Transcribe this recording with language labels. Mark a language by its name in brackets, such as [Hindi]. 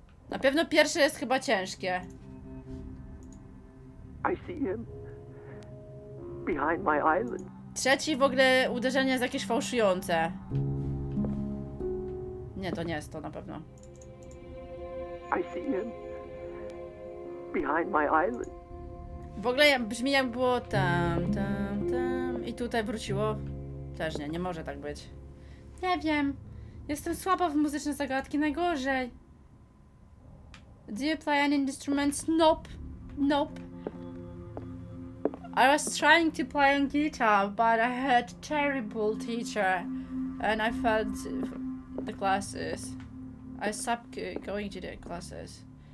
[Polish] Na pewno pierwsze jest chyba ciężkie. [English] I see him behind my eyelids. [Polish] Trzeci w ogóle uderzenie jest jakieś fałszujące. Nie, to nie jest to na pewno. [English] I see him behind my eyelids. [Polish] W ogóle brzmi jak było tam i tutaj wróciło. Też nie może tak być. Nie wiem. Jestem słaba w muzyczne zagadki, najgorzej. [English] Do you play any instruments? Nope. I was trying to play on guitar, but I had a terrible teacher. And I failed the classes. I stopped going to the classes.